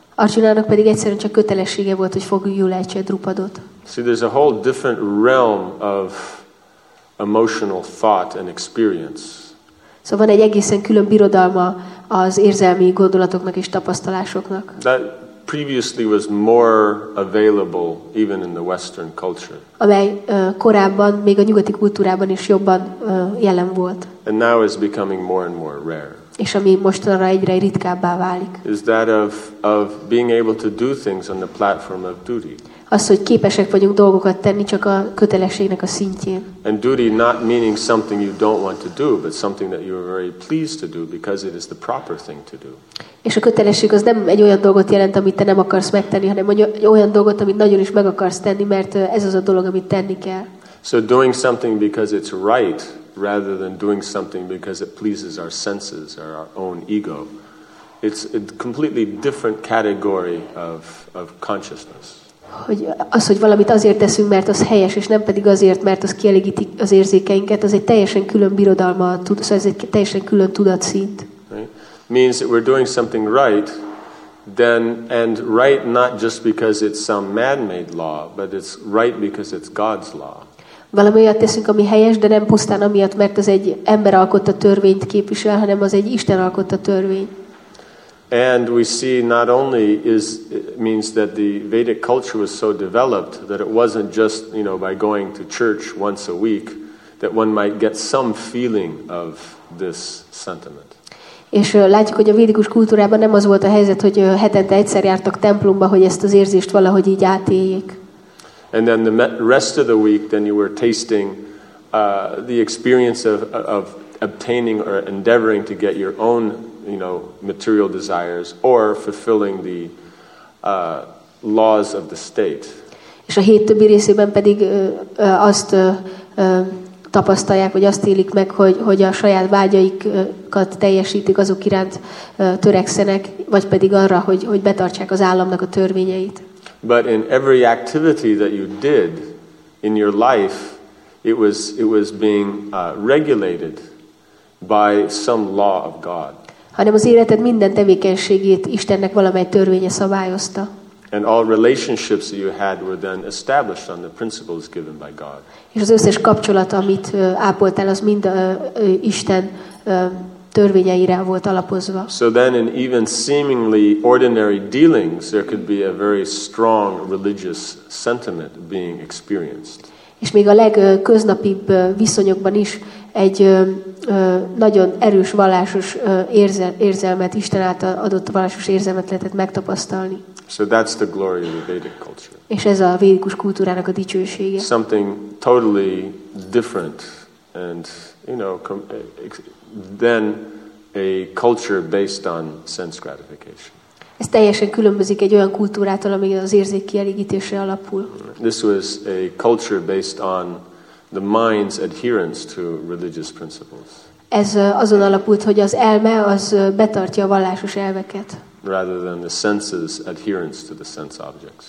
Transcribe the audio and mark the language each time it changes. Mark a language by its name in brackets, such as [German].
[Hungarian] Arjunának pedig egyszerűen csak kötelessége volt, hogy foglyulhassa a Drupadot. [English] See, there's a whole different realm of emotional thought and experience. [Hungarian] Szóval van egy egészen külön birodalma az érzelmi gondolatoknak és tapasztalásoknak. [English] That previously was more available even in the Western culture. [Hungarian] Amely korábban még a nyugati kultúrában is jobban jelen volt. [English] And now is becoming more and more rare. [Hungarian] És ami mostanra egyre ritkábbá válik. [English] Is that of being able to do things on the platform of duty. [Hungarian] Az, hogy képesek vagyunk dolgokat tenni csak a kötelességnek a szintjén. [English] And duty not meaning something you don't want to do, but something that you are very pleased to do because it is the proper thing to do. [Hungarian] És a kötelesség az nem egy olyan dolgot jelent, amit te nem akarsz megtenni, hanem egy olyan dolgot, amit nagyon is meg akarsz tenni, mert ez az a dolog, amit tenni kell. [English] So doing something because it's right, rather than doing something because it pleases our senses or our own ego. It's a completely different category of consciousness. [Hungarian] Hogy az, hogy valamit azért teszünk, mert az helyes, és nem pedig azért, mert az kielégíti az érzékeinket, az egy teljesen külön birodalma, szóval ez egy teljesen külön tudatszint. [English] Means that we're doing something right, then, and right not just because it's some man-made law, but it's right because it's God's law. [Hungarian] Valami olyat teszünk, ami helyes, de nem pusztán amiatt, mert ez egy ember alkotta törvényt képvisel, hanem az egy Isten alkotta törvény. [English] And we see not only is it means that the Vedic culture was so developed that it wasn't just, you know, by going to church once a week that one might get some feeling of this sentiment. [Hungarian] És látjuk, hogy a védikus kultúrában nem az volt a helyzet, hogy hetente egyszer jártak templomba, hogy ezt az érzést valahogy így átéljék. [English] And then the rest of the week then you were tasting the experience of obtaining or endeavoring to get your own, you know, material desires or fulfilling the laws of the state. [Hungarian] És a hét többi részében pedig azt tapasztalják, vagy azt élik meg, hogy a saját vágyaikat teljesítik, azok iránt törekszenek, vagy pedig arra, hogy betartsák az államnak a törvényeit. [English] But in every activity that you did in your life, it was being regulated by some law of God. [Hungarian] Hanem az életed minden tevékenységét Istennek valamely törvénye szabályozta. [English] And all relationships that you had were then established on the principles given by God. [Hungarian] És az összes kapcsolat, amit ápoltál, az mind Isten törvényeire volt alapozva. [English] So then in even seemingly ordinary dealings there could be a very strong religious sentiment being experienced. [Hungarian] És még a legköznapibb viszonyokban is egy nagyon erős vallásos érzelmet, Isten által adott vallásos érzelmet lehetett megtapasztalni. [English] So that's the glory of the Vedic culture. [Hungarian] És ez a védikus kultúrának a dicsősége. [English] Something totally different and, you know, than a culture based on sense gratification. [Hungarian] Ez teljesen különbözik egy olyan kultúrától, ami az érzék kielégítésre alapul. [English] This was a culture based on the mind's adherence to religious principles. [Hungarian] Ez azon alapult, hogy az elme az betartja a vallásos elveket. [English] Rather than the senses' adherence to the sense objects.